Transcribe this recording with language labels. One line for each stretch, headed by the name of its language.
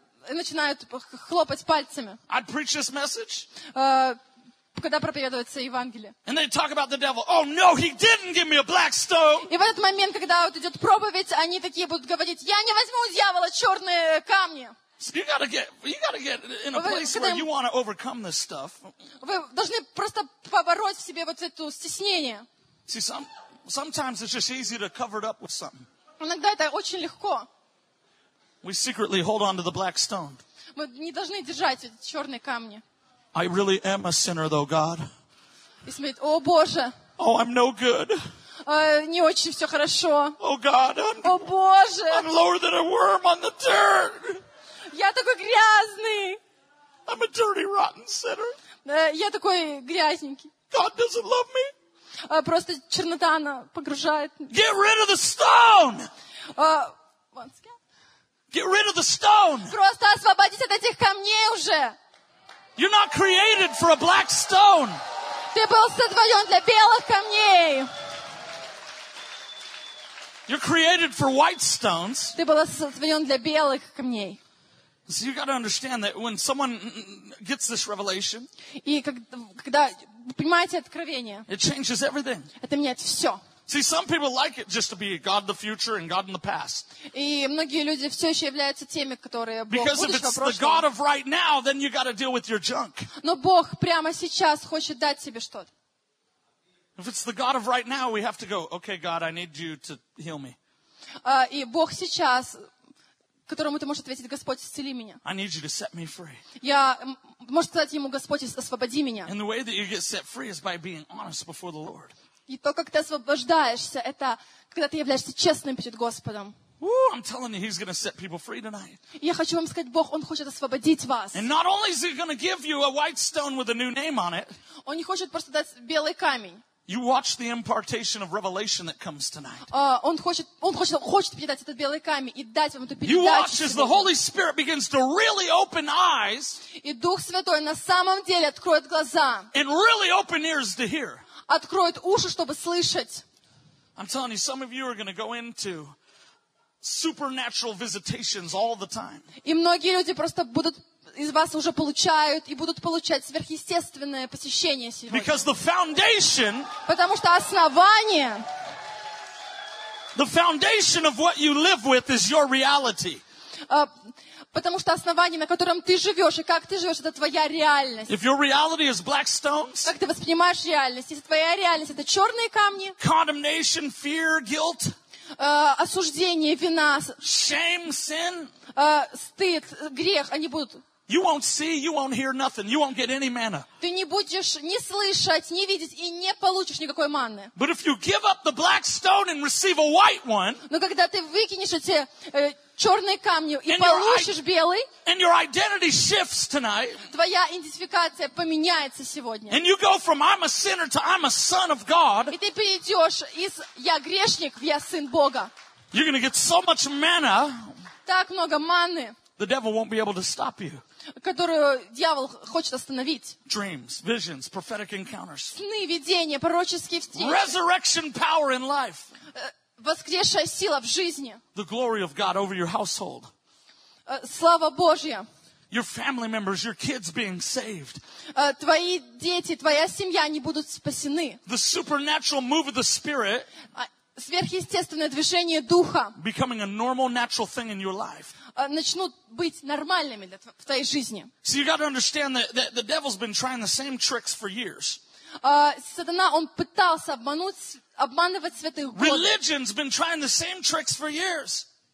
Russian: И начинают хлопать пальцами.
English: I'd preach this message.
Russian: Когда проповедуется Евангелие.
English: And they talk about the devil. Oh no, he didn't give me a black stone.
Russian: И в этот момент, когда вот идет проповедь, они такие будут говорить: я не возьму у дьявола черные камни.
English: So you gotta get in a place where you want to overcome this stuff.
Russian: Вы должны просто побороть в себе вот это стеснение.
English: See, sometimes it's just easy to cover it up with something.
Russian: Иногда это очень легко.
English: We secretly hold on to the black stone.
Russian: Мы не должны держать эти черные камни.
English: I really am a sinner, though, God.
Russian: И смотрит: о Боже.
English: Oh, I'm no good.
Russian: Не очень все хорошо.
English: Oh God.
Russian: О Боже.
English: I'm lower than a worm on the dirt.
Russian: Я такой грязный.
English: I'm a dirty, rotten sinner.
Russian: Я такой грязненький.
English: God doesn't love me.
Russian: Просто чернота она погружает.
English: Get rid of the stone. Once again. Get rid of the stone.
Russian: Просто освободись от этих камней уже.
English: You're not created for a black stone.
Russian: Ты был сотворен для белых камней.
English: You're created for white stones.
Russian: Ты был сотворен для белых камней.
English: So you got to understand that when someone gets this revelation,
Russian: и когда вы понимаете откровение,
English: it changes everything.
Russian: Это меняет все.
English: See, some people like it just to be God in the future and God in the past.
Russian: И многие люди все еще являются теми, которые Бог
English: Because
Russian: будущего, прошлого.
English: Because if it's the God of right now, then you got to deal with your junk.
Russian: Но Бог прямо сейчас хочет дать себе что-то.
English: If it's the God of right now, we have to go, okay, God, I need you to heal me.
Russian: И Бог сейчас, которому ты можешь ответить: Господь, исцели меня.
English: I need you to set me free.
Russian: Я можешь сказать ему: Господь, освободи меня.
English: And the way that you get set free is by being honest before the Lord.
Russian: И то, как ты освобождаешься, это когда ты являешься честным перед Господом.
English: Ooh, I'm telling you, he's going to set people free tonight.
Russian: Я хочу вам сказать, Бог, он хочет освободить вас.
English: And not only is he going to give you a white stone with a new name on it.
Russian: Он не хочет просто дать белый камень.
English: You watch the impartation of revelation that comes tonight.
Russian: Он хочет передать этот белый камень и дать вам эту передачу.
English: You watch as the Holy Spirit begins to really open eyes.
Russian: И Дух Святой на самом деле откроет глаза.
English: And really open ears to hear.
Russian: Откроет уши, чтобы слышать.
English: I'm telling you, some of you are going to go into supernatural visitations all the time.
Russian: И многие люди просто будут из вас уже получают и будут получать сверхъестественное посещение сегодня.
English: Because the foundation,
Russian: потому что основание,
English: the foundation of what you live with is your reality.
Russian: Потому что основание, на котором ты живешь и как ты живешь, это твоя реальность.
English: If your reality is black stones,
Russian: как ты воспринимаешь реальность, если твоя реальность это черные камни,
English: condemnation, fear, guilt,
Russian: осуждение, вина,
English: shame, sin,
Russian: стыд, грех, они будут.
English: You won't see, you won't hear nothing, you won't get any manna.
Russian: Ты не будешь ни слышать, ни видеть и не получишь никакой манны.
English: But if you give up the black stone and receive a white one,
Russian: но когда ты выкинешь эти черные камни и получишь белый,
English: and your identity shifts tonight,
Russian: твоя идентификация поменяется сегодня.
English: And you go from I'm a sinner to I'm a son of God.
Russian: И ты перейдешь из я грешник в я сын Бога.
English: You're gonna get so much manna.
Russian: Так много манны.
English: The devil won't be able to stop you.
Russian: Которую дьявол хочет остановить.
English: Dreams, visions, prophetic encounters.
Russian: Сны, видения, пророческие встречи.
English: Resurrection power in life.
Russian: Воскресшая сила в жизни.
English: The glory of God over your household.
Russian: Слава Божья.
English: Your family members, your kids being saved.
Russian: Твои дети, твоя семья, они будут спасены.
English: The supernatural move of the Spirit.
Russian: Сверхъестественное движение Духа.
English: Becoming a normal, natural thing in your life.
Russian: Начнут быть нормальными в твоей жизни.
English: So you got to understand that the devil's been trying the same tricks for years.
Russian: Сатана, он пытался обманывать святых годы.
English: Religion's been trying the same tricks for years.